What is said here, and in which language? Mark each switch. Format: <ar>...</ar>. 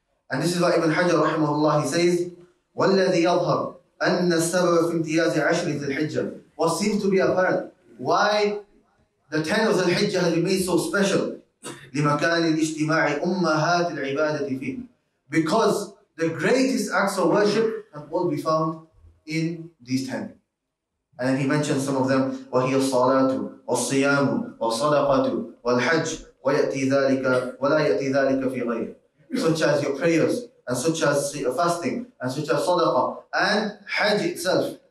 <en>And this is what Ibn Hajar, rahimahullah, he says,</en> <ar>وَالَّذِي يَظْهَرُ أَنَّ السَّبَبَ فِي امْتِيَازِ عَشْرِ ذِي الْحِجَّةِ.</ar> <en>What seems to be apparent, why the 10 of Dhul Hijjah has been made so special,</en> <ar>لِمَكَانِ الْإِجْتِمَاعِ أُمَّهَاتِ الْعِبَادَةِ فِيهِ.</ar> <en>Because the greatest acts of worship have all been found in these 10. And then he mentions some of them,</en> <ar>وَهِيَ الصَّلَاةُ وَالصِّيَامُ وَالصَّدَقَةُ وَالْحَجُ وَيَأْتِي ذَلِكَ وَلَا يَأْتِي ذَلِكَ فِي غَيْرِ.</ar> <en>Such as your prayers, and such as fasting, and such as sadaqah, and hajj itself.</en>